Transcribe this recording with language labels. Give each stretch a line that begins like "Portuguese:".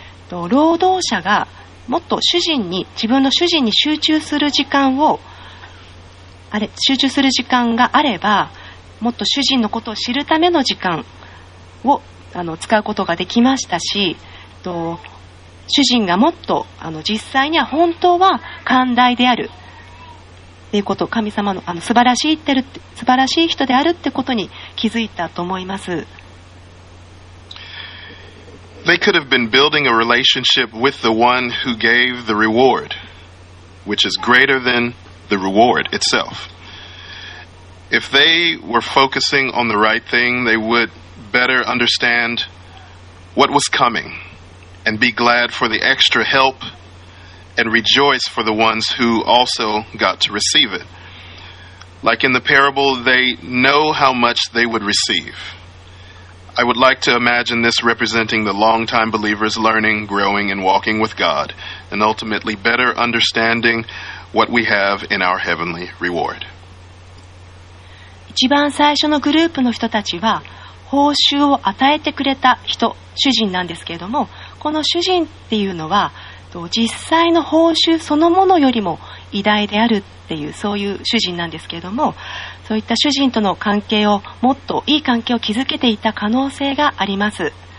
Japanese: 労働者がもっと主人に、自分の主人に集中する時間を集中する時間があれば、もっと主人のことを知るための時間を使うことができましたし、主人がもっと実際には本当は寛大であるということ、神様の素晴らしい人であるってことに気づいたと思います。
English: They could have been building a relationship with the one who gave the reward, which is greater than the reward itself. If they were focusing on the right thing, they would better understand what was coming and be glad for the extra help and rejoice for the ones who also got to receive it. Like in the parable, they know how much they would receive. I would like to imagine this representing the long-time believers learning, growing, and walking with God, and ultimately better understanding what we have in our heavenly reward.
Japanese: 一番最初のグループの人たちは、報酬を与えてくれた人、主人なんですけれども、この主人っていうのは、実際の報酬そのものよりも偉大であるっていう、そういう主人なんですけれども、そういった主人との関係をもっといい関係を築けていた可能性があります。